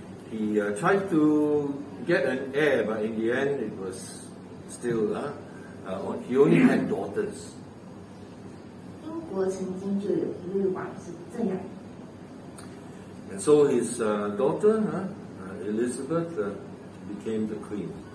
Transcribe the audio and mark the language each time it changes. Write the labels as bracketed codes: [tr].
[en] He tried to get an heir, but in the end, it was still, he only had daughters. [zh] 英国曾经就有一位王是这样。 [en] And so his daughter, Elizabeth, became the queen.